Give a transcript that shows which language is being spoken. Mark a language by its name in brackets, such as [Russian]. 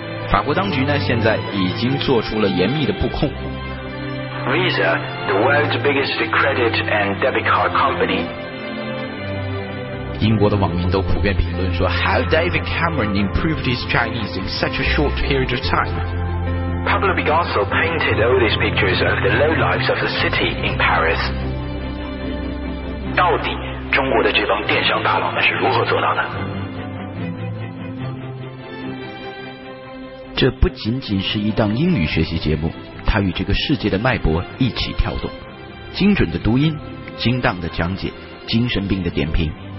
[Chinese] 法国当局呢，现在已经做出了严密的布控。 [English] Visa, the world's biggest credit and debit card company. [Chinese] 英国的网民都普遍评论说 [English] ，How David Cameron improved his Chinese in such a short period of time? Pablo Picasso painted all these pictures of the lowlifes of the city in Paris. [Chinese] 到底中国的这帮电商大佬们是如何做到的？这不仅仅是一档英语学习节目，它与这个世界的脉搏一起跳动，精准的读音，精当的讲解，精神病的点评。